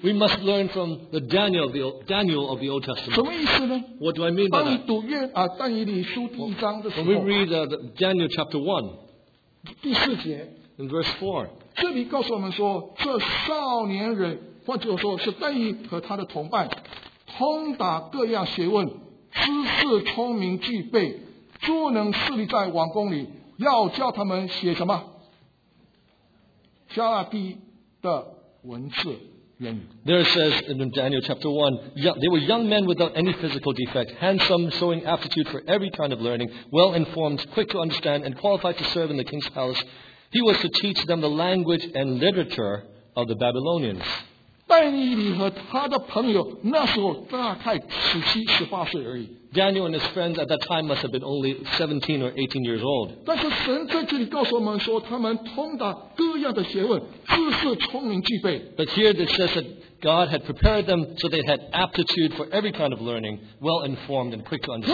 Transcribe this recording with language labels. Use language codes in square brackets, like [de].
[en] We must learn from the Daniel of the Old Testament. [zh] 什么意思呢？ [en] What do I mean by that? [zh] 当你读约啊但以理书第一章的时候 [en] ，When we read Daniel chapter 1, [zh] 第四节 [en] ，in verse 4, [zh] 这里告诉我们说，这少年人，或者说是但以和他的同伴，通达各样学问，知识聪明具备，足能侍立在王宫里，要教他们写什么？加拉底的文字原语。 [en] There it says in Daniel chapter 1, they were young men without any physical defect, handsome, showing aptitude for every kind of learning, well informed, quick to understand, and qualified to serve in the king's palace. He was to teach them the language and literature of the Babylonians. [zh] 但以理和他的朋友那时候大概17-18岁而已。 [en] Daniel and his friends at that time must have been only 17 or 18 years old. [zh] 但是神在这里告诉我们说，他们通达各样的学问，知识聪明具备。 [en] But here it says that God had prepared them so they had aptitude for every kind of learning, well informed and quick to understand.